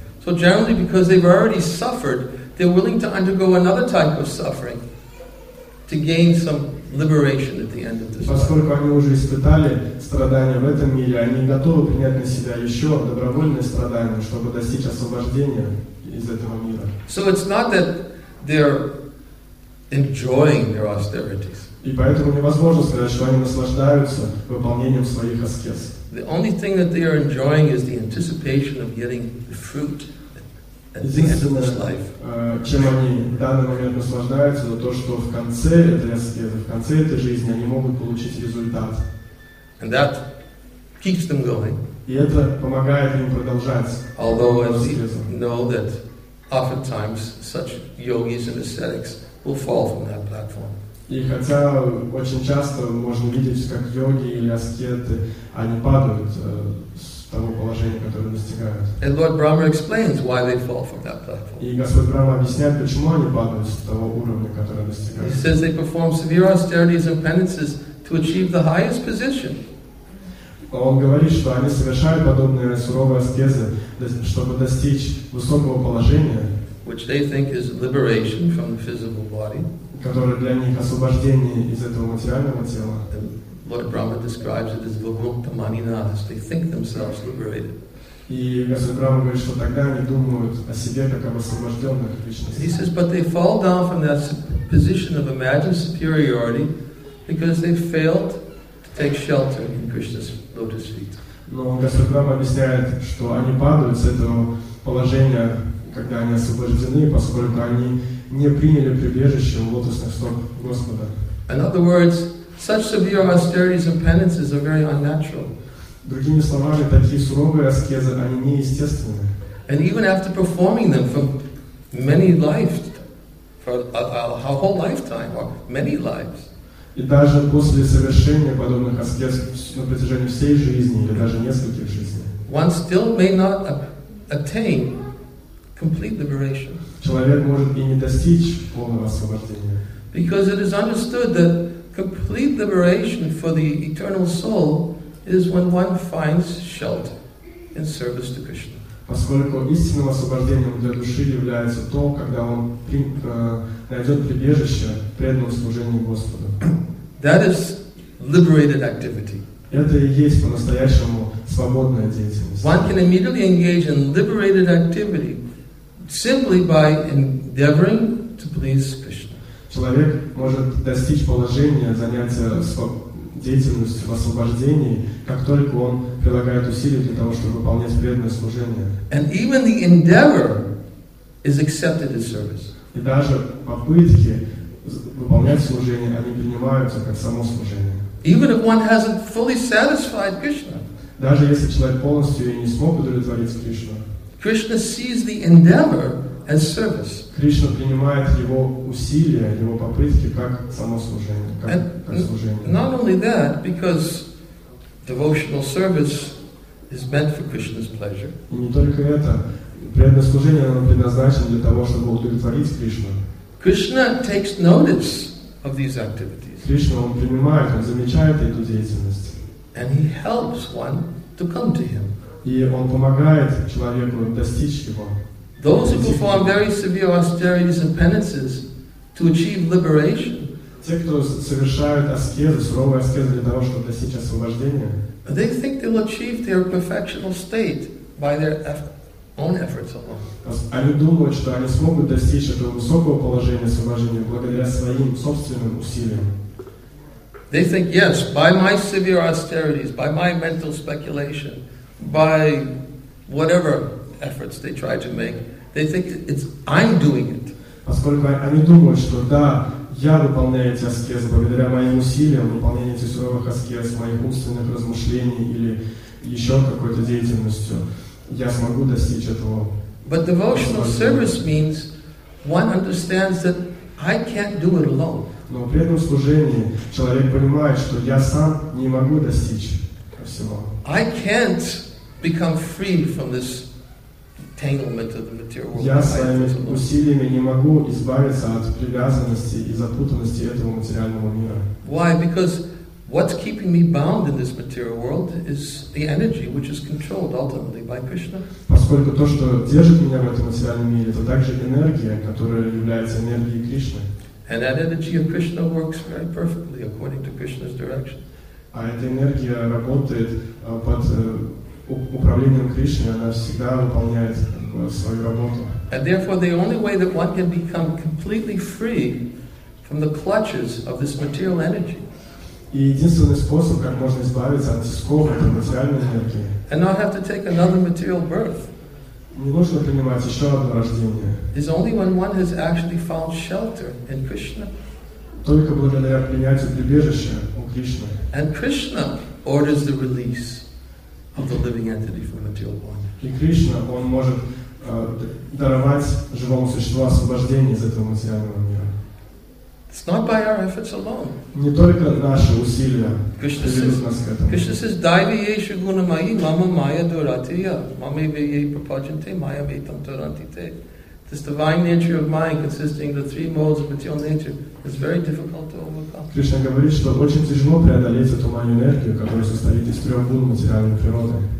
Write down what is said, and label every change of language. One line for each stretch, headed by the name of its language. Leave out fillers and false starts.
English: So generally, because they've already suffered, they're willing to undergo another type of suffering to gain some liberation at the end of this.
Russian: Поскольку они уже испытали страдания в этом мире, они готовы принять на себя еще добровольные страдания, чтобы достичь освобождения из этого мира.
English: So it's not that they're enjoying their austerities.
Russian: И поэтому невозможно сказать, что они наслаждаются выполнением своих аскез.
English: The only thing that they are enjoying is the anticipation of getting the fruit at the end of this life.
Russian: Чем они в данный момент наслаждаются, это то, что в конце этой аскезы, в конце этой жизни они могут получить результат.
English: And that keeps them going.
Russian: И это помогает им продолжать.
English: Although as we know that oftentimes such yogis and ascetics will fall from that platform.
Russian: И хотя очень часто можно видеть, как йоги или аскеты, они падают с того положения, которое достигают.
English: And Lord Brahma explains why they fall from that platform.
Russian: И Господь Брахма объясняет, почему они падают с того уровня, которое достигают.
English: He says they perform severe austerities and penances to achieve the highest position.
Russian: Он говорит, что они совершают подобные суровые аскезы, чтобы достичь высокого положения.
English: Which they think is liberation from the physical body.
Russian: Которое для них освобождение из этого материального тела.
English: Lord Brahma describes it as
Sanskrit: vimukta maninas.
English: They think themselves liberated.
Russian: И Господь Брахма говорит, что тогда они думают о себе как об освобожденных личностях.
English: He says, but they fall down from that position of imagined superiority because they failed to take shelter in Krishna's lotus feet.
Russian: Но Господь Брахма объясняет, что они падают с этого положения, когда они освобождены, поскольку они не приняли прибежище у лотосных стоп Господа.
English: In other words, such severe austerities and penances are very unnatural.
Russian: Другими словами, такие суровые аскезы, они неестественны.
English: And even after performing them for many lives, for a whole lifetime, or many lives.
Russian: И даже после совершения подобных аскез на протяжении всей жизни, или даже нескольких жизней.
English: One still may not attain complete liberation.
Russian: Человек может и не достичь полного освобождения.
English: Because it is understood that complete liberation for the eternal soul is when one finds shelter in service to Krishna.
Russian: Поскольку истинным освобождением для души является то, когда он найдет прибежище преданному служению Господу.
English: That is liberated activity.
Russian: Это и есть по-настоящему свободная деятельность.
English: One can immediately engage in liberated activity simply by endeavoring to please Krishna.
Russian: Человек может достичь положения заняться деятельностью в освобождении, как только он прилагает усилия для того, чтобы выполнять преданное служение.
English: And even the endeavor is accepted as service.
Russian: И даже попытки выполнять служение, они принимаются как само служение.
English: Even if one hasn't fully satisfied Krishna.
Russian: Даже если человек полностью и не смог удовлетворить Кришну.
English: Krishna sees the endeavor as service.
Russian: Кришна принимает его усилия, его попытки как само служение, как служение.
English: Not only that, because devotional service is meant for Krishna's pleasure.
Russian: И не только это, преданное служение оно предназначено для того, чтобы удовлетворить Кришну.
English: Krishna takes notice of these activities.
Russian: Кришна он принимает, он замечает эту деятельность.
English: And he helps one to come to him.
Russian: И он помогает человеку достичь его.
English: Those who perform very severe austerities and penances to achieve liberation.
Russian: Те, кто совершают аскезы, суровые аскезы для того, чтобы достичь освобождения.
English: They think they'll achieve their perfectional state by their own efforts alone.
Russian: Они думают, что они смогут достичь этого высокого положения освобождения благодаря своим собственным усилиям.
English: They think, yes, by my severe austerities, by my mental speculation, by whatever efforts they try to make, they think it's I'm doing it.
Russian: Поскольку они думают, что да, я выполняю эти аскезы благодаря моим усилиям, выполнению этих суровых аскез, моих умственных размышлений или еще какой-то деятельностью, я смогу достичь этого.
English: But devotional service means one understands that I can't do it alone.
Russian: Но при этом служении человек понимает, что я сам не могу достичь всего.
English: I can't become free from this entanglement of the material world.
Russian: Я своими усилиями не могу избавиться от привязанности и запутанности этого материального мира.
English: Why? Because what's keeping me bound in this material world is the energy, which is controlled ultimately by Krishna.
Russian: Поскольку то, что держит меня в этом материальном мире, это также энергия, которая является энергией Кришны.
English: And that energy of Krishna works very perfectly according to Krishna's direction.
Russian: А эта энергия работает под управлением Кришны, она всегда выполняет свою работу.
English: And therefore, the only way that one can become completely free from the clutches of this material energy.
Russian: И единственный способ, как можно избавиться от тисков этой материальной энергии.
English: And not have to take another material birth.
Russian: Не нужно принимать еще одно рождение.
English: Is only when one has actually found shelter in Krishna.
Russian: Только благодаря принятию прибежища у Кришны.
English: And Krishna orders the release of the living entity from material bondage.
Russian: И Кришна, он может даровать живому существу освобождение из этого материального мира.
English: It's not by our efforts alone.
Russian: Не только наши усилия приведут нас к этому.
English: Krishna says,
Sanskrit: "Daivi yeshu gunamayi mama maya duratiya mama veye prapajante maya vetam duratite."
English: This divine nature of mind, consisting of the three modes of material nature, is very difficult to overcome.
Russian: Krishna говорит, что очень тяжело преодолеть эту маню энергию, которая состоит из трех гун материальной природы.